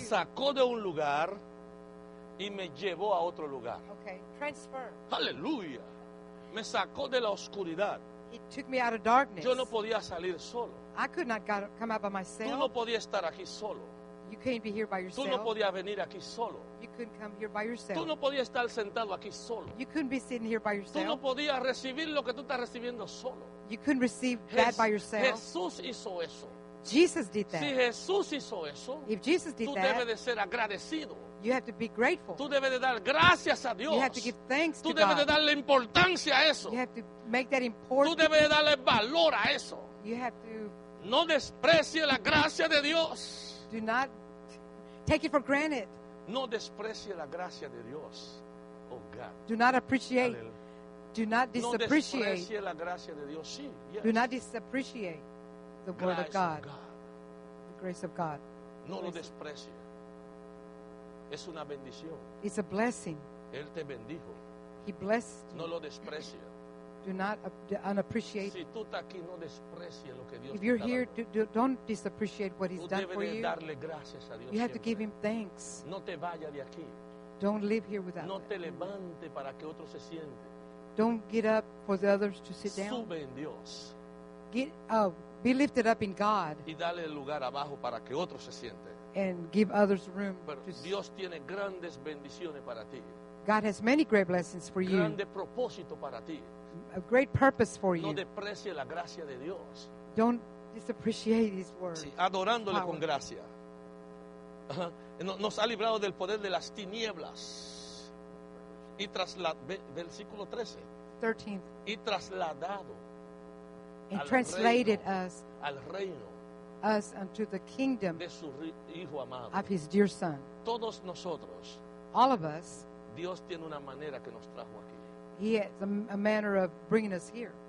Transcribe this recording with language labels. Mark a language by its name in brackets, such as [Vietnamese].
[Spanish] Sacó de un lugar y me llevó a otro lugar. [English] Okay, transfer. [Spanish] Aleluya. Me sacó de la oscuridad. [English] He took me out of darkness. [Spanish] Yo no podía salir solo. [English] I could not come out by myself. [Spanish] Tú no podías estar aquí solo. [English] You can't be here by yourself. [Spanish] Tú no podías venir aquí solo. [English] You couldn't come here by yourself. [Spanish] Tú no podías estar sentado aquí solo. [English] You couldn't be sitting here by yourself. [Spanish] Tú no podías recibir lo que tú estás recibiendo solo. [English] You couldn't receive that by yourself. [Spanish] Jesús hizo eso. [English] Jesus did that. [Spanish] Si Jesús hizo eso, [English] if Jesus did [Spanish] tú [English] that, [Spanish] debes de ser agradecido. [English] You have to be grateful. [Spanish] Tú debes de dar gracias a Dios. [English] You have to give thanks [Spanish] tú [English] to God. [Spanish] De darle importancia a eso. [English] You have to make that important. [Spanish] Tú debes de darle valor a eso. [English] You have to. [Spanish] No desprecie la gracia de Dios. [English] Do not take it for granted. [Spanish] No desprecie la gracia de Dios. [English] Oh God. Do not appreciate. Do not disappreciate. [Spanish] No desprecie la gracia de Dios. Sí, [English] yes. Do not disappreciate the grace word of God. God. The grace of God. [Spanish] No lo desprecie. Es una bendición. [English] It's a blessing. [Spanish] Él te bendijo. [English] He blessed you. [Spanish] No lo desprecie. [English] Do not unappreciate. [Spanish] Si tú estás aquí, no desprecie lo que Dios. [English] If you're here, don't disappreciate what He's done for you. [Spanish] Darle gracias a Dios. [English] You [Spanish] siempre. [English] Have to give Him thanks. [Spanish] No te vaya de aquí. [English] Don't live here without. [Spanish] No te levante para que otro se siente. [English] Don't get up for the others to sit down. [Spanish] Sube en Dios. [English] Get up. Be lifted up in God. [Spanish] Y dale lugar abajo para que otro se siente. [English] And give others room. [Spanish] Dios tiene grandes bendiciones para ti. [English] God has many great blessings for you. [Spanish] Grande propósito para ti. [English] A great purpose for you. [Spanish] No desprecie la gracia de Dios. [English] Don't disappreciate His word. [Spanish] Sí, adorándole con gracia. Nos ha librado del poder de las tinieblas. Y versículo 13. 13. Y trasladado. [English] And translated us. [Spanish] Al reino. [English] Us unto the kingdom [Spanish] de su hijo amado, [English] of his dear son. [Spanish] Todos nosotros, [English] all of us, [Spanish] Dios tiene una manera que nos trajo aquí. [English] He has a manner of bringing us here.